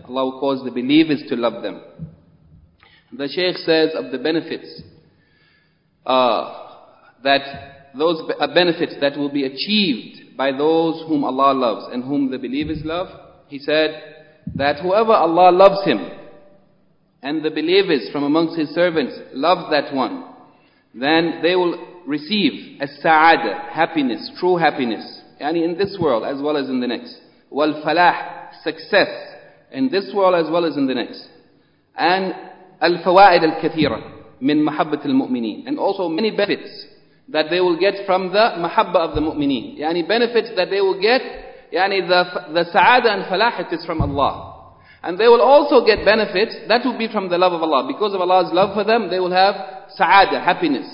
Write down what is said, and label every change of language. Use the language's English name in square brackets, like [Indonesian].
[English] Allah will cause the believers to love them. The Shaykh says of the benefits, that those benefits that will be achieved by those whom Allah loves and whom the believers love, he said that whoever Allah loves him and the believers from amongst his servants love that one, then they will receive as sa'ada, happiness, true happiness. يعني in this world as well as in the next. والفلاح success in this world as well as in the next. [Arabic] And الفوائد الكثيرة من محبة المؤمنين. [English] And also many benefits that they will get from the محبة of the مؤمنين. يعني benefits that they will get, يعني the سعادة and فلاح, it is from Allah. And they will also get benefits that will be from the love of Allah. Because of Allah's love for them, they will have سعادة, happiness.